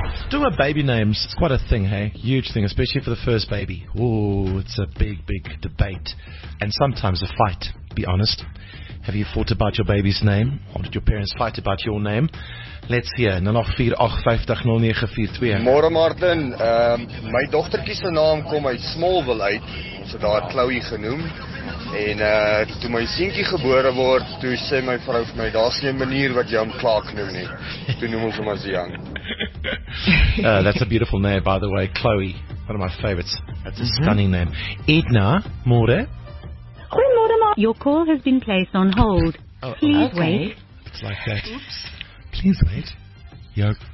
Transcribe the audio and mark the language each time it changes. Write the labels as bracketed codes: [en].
[en] Talking about baby names, it's quite a thing, hey? Huge thing, especially for the first baby. Ooh, it's a big, big debate. And sometimes a fight, be honest. Have you fought about your baby's name? Or did your parents fight about your name? Let's hear. 084-850-9942. [af] Môre, Martin. My dochterkie se naam kom uit Smallville uit. Ons het daar Chloe genoem. En toe my seentjie gebore word, toe sê my vrou vir my, daar's nie 'n manier wat jy hom Clark noem nie. Toe noem ons hom as Young. [en] That's a beautiful name, by the way. Chloe, one of my favorites. That's a stunning name. Edna, môre. [af] Goeiemôre, ma. [en] Your call has been placed on hold. Please wait. It's like that. Please wait. Yo.